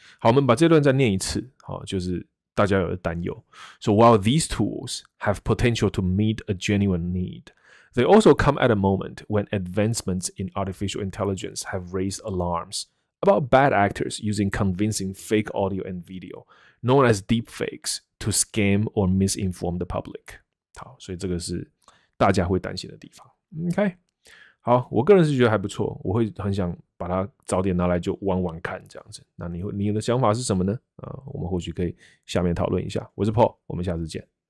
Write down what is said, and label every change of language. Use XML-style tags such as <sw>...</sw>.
<zh>好，我们把这段再念一次，好，就是大家有的担忧。</zh> <en>So while these tools have potential to meet a genuine need。 They also come at a moment when advancements in artificial intelligence have raised alarms about bad actors using convincing fake audio and video, known as deepfakes, to scam or misinform the public.</en> <zh>好，所以这个是大家会担心的地方。OK， 好，我个人是觉得还不错，我会很想把它早点拿来就玩玩看这样子。那你的想法是什么呢？我们或许可以下面讨论一下。我是 Paul， 我们下次见。</zh>